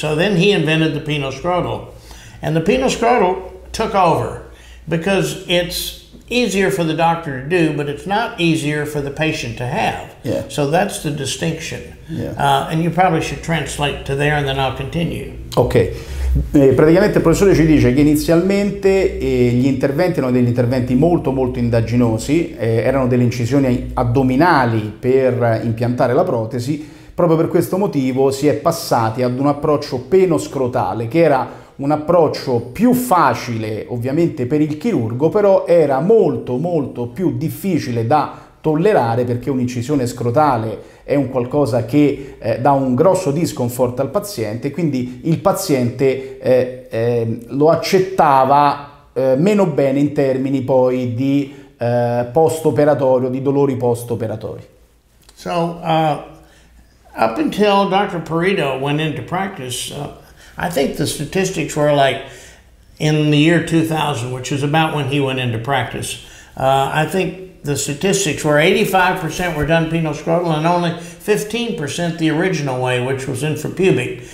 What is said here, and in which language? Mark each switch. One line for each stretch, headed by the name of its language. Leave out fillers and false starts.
English: So then he invented the penoscrotal. And the penoscrotal took over because it's easier for the doctor to do, but it's not easier for the patient to have. Yeah. So that's the distinction. Yeah. And you probably should translate to there and then I'll continue. Okay.
Italian: Praticamente il professore ci dice che inizialmente gli interventi erano degli interventi molto molto indaginosi, erano delle incisioni addominali per impiantare la protesi. Proprio per questo motivo si è passati ad un approccio penoscrotale, che era un approccio più facile ovviamente per il chirurgo, però era molto molto più difficile da tollerare, perché un'incisione scrotale è un qualcosa che dà un grosso discomfort al paziente, quindi il paziente lo accettava meno bene in termini poi di post-operatorio, di dolori post-operatori.
English: So, up until Dr. Perito went into practice, I think the statistics were like in the year 2000, which is about when he went into practice, I think the statistics were 85% were done penoscrotal and only 15% the original way, which was infrapubic.